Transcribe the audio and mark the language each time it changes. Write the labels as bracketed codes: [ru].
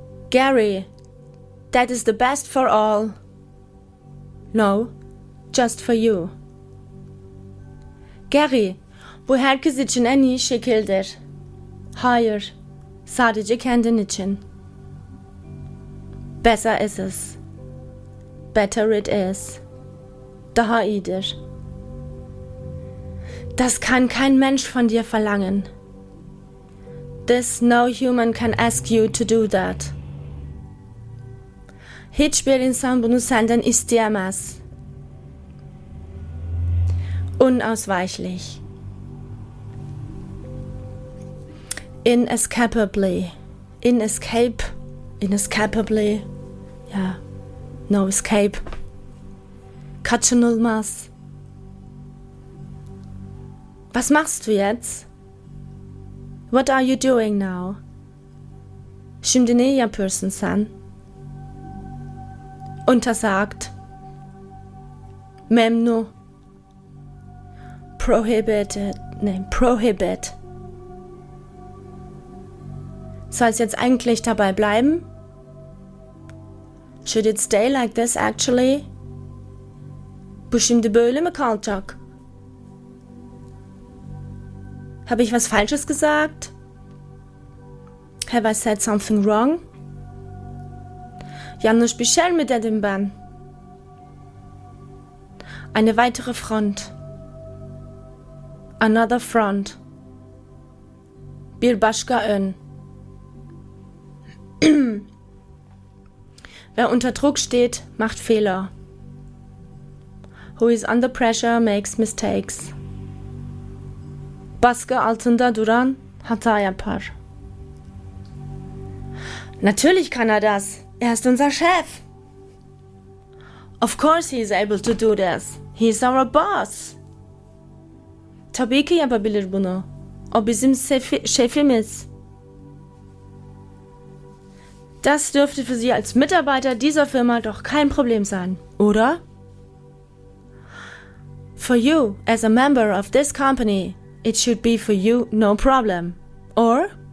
[en] Gary, that is the best for all. No, just for you. [tr] Gary, bu herkes için en iyi şekildir. Hayır. Sadece kendin için. [de] Besser ist es. [en] Better it is. [tr] Daha iyidir. [de] Das kann kein Mensch von dir verlangen. [en] This no human can ask you to do that. [tr] Hiçbir insan bunu senden isteyemez. [de] Unausweichlich. [en] Inescapably. Inescape. Inescapably. Yeah. No escape. [tr] Kaçınılmaz. [de] Was machst du jetzt? [en] What are you doing now? [tr] Şimdi ne yapıyorsun sen? [de] Untersagt. [tr] Memnu. [en] Prohibited. Nee, prohibit. [de] Soll's jetzt eigentlich dabei bleiben? [en] Should it stay like this actually? [tr] Bu şimdi böyle mi kalacak? [de] Habe ich was Falsches gesagt? [en] Have I said something wrong? [tr] Yanlış bir şey mi dedim ben? [de] Eine weitere Front. [en] Another Front. [tr] Bir başka ön. [de] Wer unter Druck steht, macht Fehler. [en] Who is under pressure makes mistakes. [tr] Baskı altında duran hata yapar. [de] Natürlich kann er das. Er ist unser Chef. [en] Of course he is able to do this. He is our boss. [tr] Tabii ki yapabilir bunu. O bizim şefimiz. [de] Das dürfte für Sie als Mitarbeiter dieser Firma doch kein Problem sein, oder? [en] For you, as a member of this company, it should be for you no problem, or?